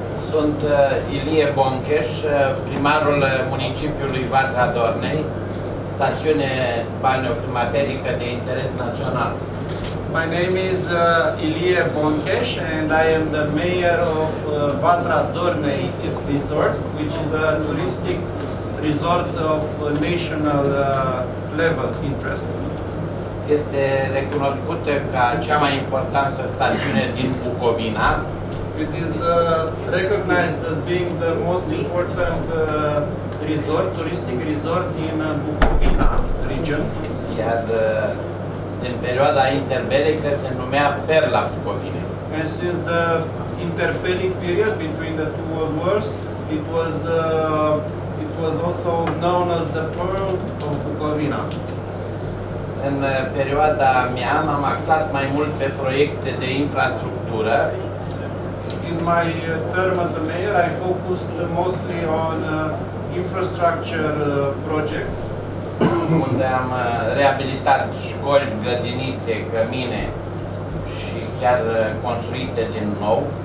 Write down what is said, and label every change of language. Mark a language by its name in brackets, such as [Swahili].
[Romanian] Sunt Ilie Boncheș, primarul municipiului Vatra Dornei, stațiune balneoclimaterică de interes național. [English] My name is Ilie Boncheș and I am the mayor of Vatra Dornei Resort, which is a touristic resort of national level interest. [Romanian] Este recunoscută ca cea mai importantă stațiune din Bucovina. [English] It is recognized as being the most important resort, touristic resort in Bucovina region. [Romanian] Iar în perioada interbelică se numea Perla Bucovina. [English] And since the interbellic period between the two world wars, it was also known as the Pearl of Bucovina. [Romanian] În perioada mea am axat mai mult pe proiecte de infrastructură. [English] In my term as a mayor, I focused mostly on infrastructure projects. [Romanian] Unde am reabilitat școli, grădinițe, cămine și chiar construite din nou.